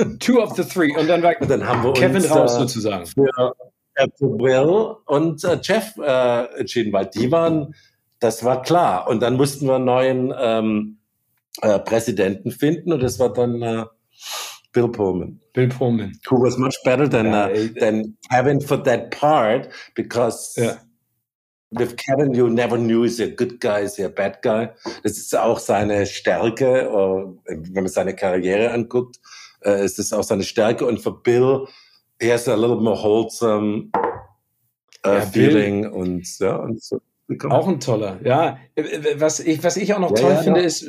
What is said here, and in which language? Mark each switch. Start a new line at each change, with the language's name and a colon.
English: Two of the three.
German: Und dann, und dann haben wir Kevin uns raus, sozusagen. Für Will und Jeff entschieden, weil die waren, das war klar. Und dann mussten wir einen neuen Präsidenten finden und das war dann Bill Pullman. Bill Pullman.
English: Who was much better than Kevin for that part, because... Yeah. With Kevin, you never knew, is he a good guy, is he a bad guy.
German: Das ist auch seine Stärke, wenn man seine Karriere anguckt, ist das auch seine Stärke. Und für
English: Bill, he has a little more wholesome feeling. Bill.
German: Und so. Auch ein toller, ja. Was ich auch noch toll finde, ist...